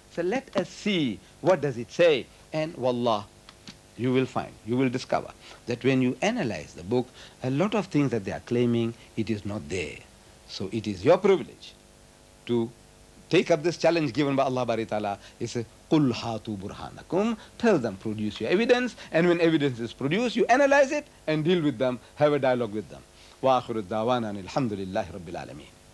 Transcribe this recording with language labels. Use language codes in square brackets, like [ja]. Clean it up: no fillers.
[en] So let us see, what does it say? And wallah, you will find, you will discover that when you analyze the book, a lot of things that they are claiming, it is not there. So it is your privilege to take up this challenge given by Allah bari ta'ala. [ar] He says, قُلْ هَاتُوا بُرْهَانَكُمْ. [en] Tell them, produce your evidence. And when evidence is produced, you analyze it and deal with them. Have a dialogue with them. [ar] وَآخِرُ الدَّعْوَانَ أَنِ الْحَمْدُ لِلَّهِ رَبِّ الْعَالَمِينَ.